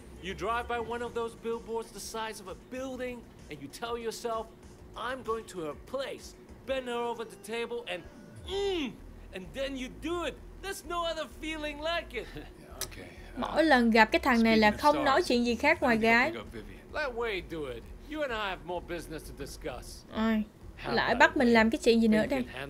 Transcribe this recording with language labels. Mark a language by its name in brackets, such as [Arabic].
[English] You drive by one of those billboards the size of a building and you tell yourself, I'm going to her place, bend her over the table and and then you do it. There's no other feeling like it. [Vietnamese] Mỗi lần gặp cái thằng này là không nói chuyện gì khác ngoài gái. [English] Let Wade do it. You and I have more business to discuss. [Vietnamese] Lại bắt mình làm cái chuyện gì nữa đây.